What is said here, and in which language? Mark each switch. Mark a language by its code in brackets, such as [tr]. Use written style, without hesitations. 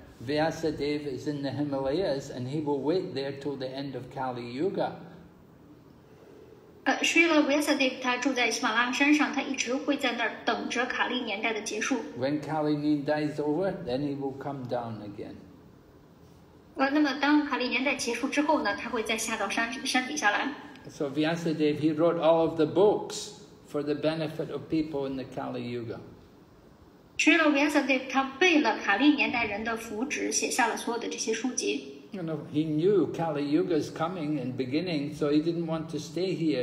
[en] Vyasadeva is in the Himalayas and he will wait there till the end of Kali Yuga. [zh] Srila Vyasadeva 他住在喜马拉雅山上，他一直会在那儿等着卡利年代的结束。 [en] When Kali Yuga dies over, then he will come down again. [zh] 那么当卡利年代结束之后呢，他会再下到山底下来。 [en] So Vyasadeva he wrote all of the books for the benefit of people in the Kali Yuga. [zh] Srila Vyasadeva 他背了卡利年代人的福祉，写下了所有的这些书籍。 [en] You know, he knew Kali Yuga is coming and beginning, so he didn't want to stay here.